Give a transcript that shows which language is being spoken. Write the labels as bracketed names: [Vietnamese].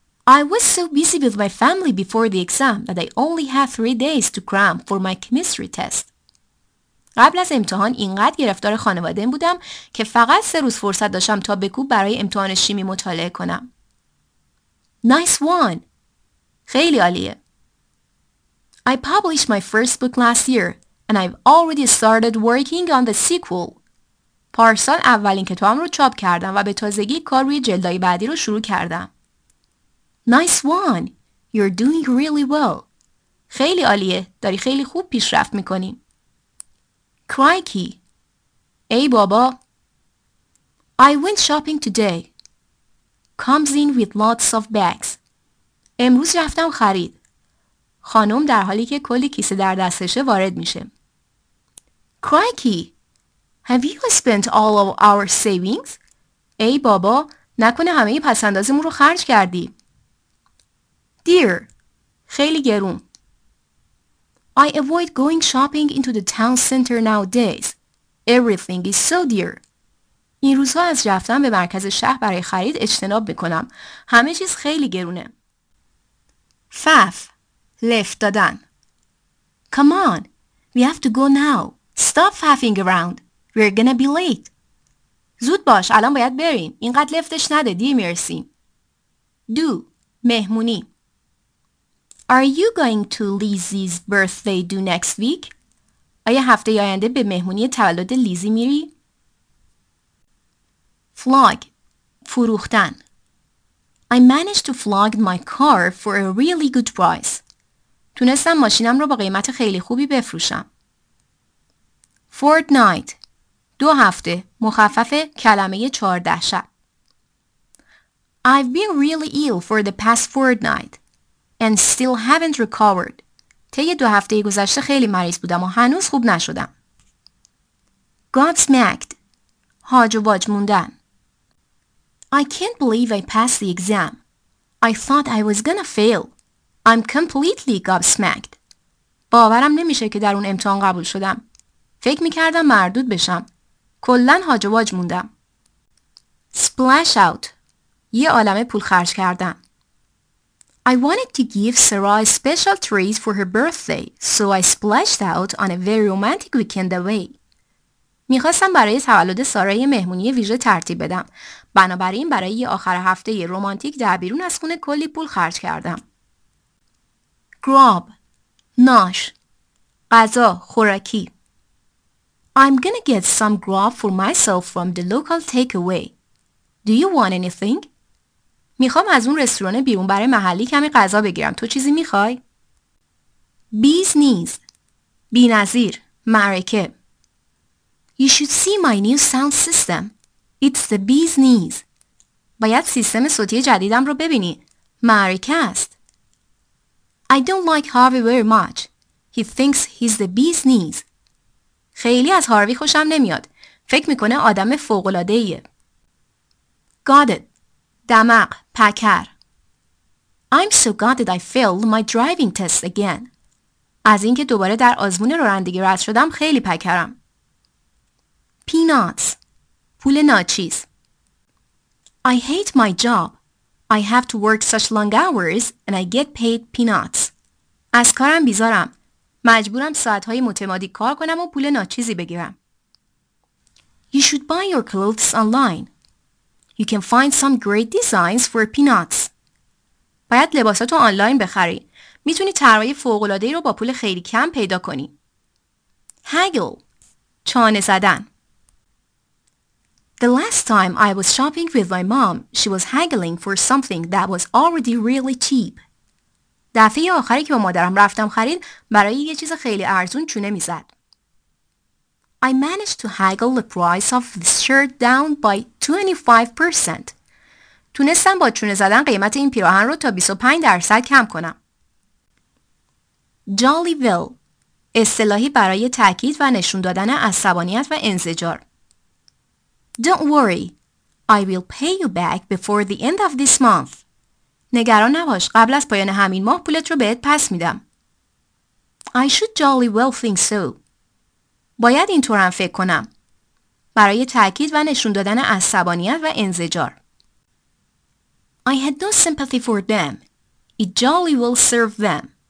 [English] I was so busy with my family before the exam that I only had 3 days to cram for my chemistry test. [Persian] قبل از امتحان اینقدر گرفتار خانواده بودم که فقط 3 روز فرصت داشتم تا بکوب برای امتحان شیمی مطالعه کنم. [English] Nice one. [Persian] خیلی عالیه. [English] I published my first book last year and I've already started working on the sequel. [Persian] پارسال اولین کتابم رو چاپ کردم و به تازگی کار روی جلدای بعدی رو شروع کردم. [English] Nice one. You're doing really well. [Persian] خیلی عالیه. داری خیلی خوب پیشرفت می‌کنی. [English] Crikey. [Persian] ای بابا. [English] I went shopping today. Comes in with lots of bags. [Persian] امروز رفتم خرید. خانم در حالی که کلی کیسه در دستشه وارد میشه. [English] Crikey! Have you spent all of our savings? [Persian] ای بابا، نکنه همه پسندازمون رو خرج کردی. [English] Dear! [Persian] خیلی گرون. [English] I avoid going shopping into the town center nowadays. Everything is so dear. [Persian] این روزها از رفتن به مرکز شهر برای خرید اجتناب میکنم. همه چیز خیلی گرونه. فف، لفت دادن. [English] Come on, we have to go now. Stop faffing around. We're gonna be late. [Persian] زود باش، الان باید بریم. اینقدر لفتش نده، دیر میرسیم. [English] Do، [Persian] مهمونی. [English] Are you going to Lizzie's birthday do next week? [Persian] آیا هفته آینده به مهمونی تولد لیزی میری؟ [English] Flog، [Persian] فروختن. [English] I managed to flog my car for a really good price. [Persian] تونستم ماشینم رو با قیمت خیلی خوبی بفروشم. [English] Fortnight، [Persian] 2 هفته، مخفف کلمه 14 شب. [English] I've been really ill for the past fortnight and still haven't recovered. [Persian] طی 2 هفته گذشته خیلی مریض بودم و هنوز خوب نشدم. [English] Godsmacked، [Persian] هاج و واج موندن. [English] I can't believe I passed the exam. I thought I was gonna fail. I'm completely gobsmacked. [Persian] باورم نمیشه که در اون امتحان قبول شدم. فکر میکردم مردود بشم. کلن هاج و واج موندم. [English] Splash out. [Persian] یه عالمه پول خرج کردم. [English] I wanted to give Sarah a special treat for her birthday, so I splashed out on a very romantic weekend away. [Persian] میخواستم برای تولد سارای مهمونی ویژه ترتیب بدم. بنابراین برای یه آخر هفته یه رومانتیک در بیرون از خونه کلی پول خرج کردم. [English] Grab، ناش، [Persian] غذا، خوراکی. [English] I'm gonna get some grub for myself from the local takeaway. Do you want anything? [Persian] میخوام از اون رستوران بیرون برای محلی کمی غذا بگیرم. تو چیزی میخوای؟ [English] Business، [Persian] بی نظیر، معرکه. [English] You should see my new sound system. It's the bee's knees. [Persian] باید سیستم صوتی جدیدم رو ببینی. معرکه است. [English] I don't like Harvey very much. He thinks he's the bee's knees. [Persian] خیلی از هاروی خوشم نمیاد. فکر میکنه آدم فوق‌العاده‌ایه. [English] Got it. [Persian] دماغ، پکر. [English] I'm so gutted I failed my driving test again. [Persian] از اینکه دوباره در آزمون رانندگی رد شدم خیلی پکرم. [English] Peanuts، [Persian] پول ناچیز. [English] I hate my job. I have to work such long hours and I get paid peanuts. [Persian] از کارم بیزارم. مجبورم ساعتهای متمادی کار کنم و پول ناچیزی بگیرم. [English] You should buy your clothes online. You can find some great designs for peanuts. [Persian] باید لباساتو آنلاین بخری. میتونی طرحهای فوق‌العاده‌ای رو با پول خیلی کم پیدا کنی. [English] Haggle، [Persian] چانه زدن. [English] The last time I was shopping with my mom, she was haggling for something that was already really cheap. [Persian] دفعه آخری که با مادرم رفتم خرید برای یه چیز خیلی ارزون چونه می زد. [English] I managed to haggle the price of this shirt down by 25%. [Persian] تونستم با چونه زدن قیمت این پیراهن رو تا 25% کم کنم. [English] Jolly well. [Persian] اصطلاحی برای تأکید و نشون دادن عصبانیت و انزجار. [English] Don't worry. I will pay you back before the end of this month. [Persian] نگران نباش، قبل از پایان همین ماه پولت رو بهت پس میدم. [English] I should jolly well think so. [Persian] باید اینطور هم فکر کنم. برای تأکید و نشون دادن عصبانیت و انزجار. [English] I had no sympathy for them. It jolly well served them.